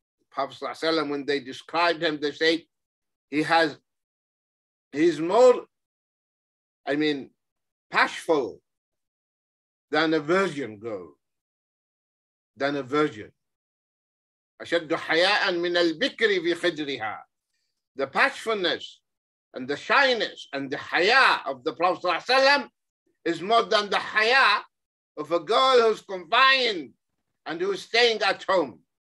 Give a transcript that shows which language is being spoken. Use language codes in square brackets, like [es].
[en] Prophet, when they described him, they say he's more bashful than a virgin girl, than a virgin. [ar] أشد حياء من البكر في خدرها. [en] The bashfulness and the shyness and the haya of the Prophet is more than the haya of a girl who's confined and who's staying at home.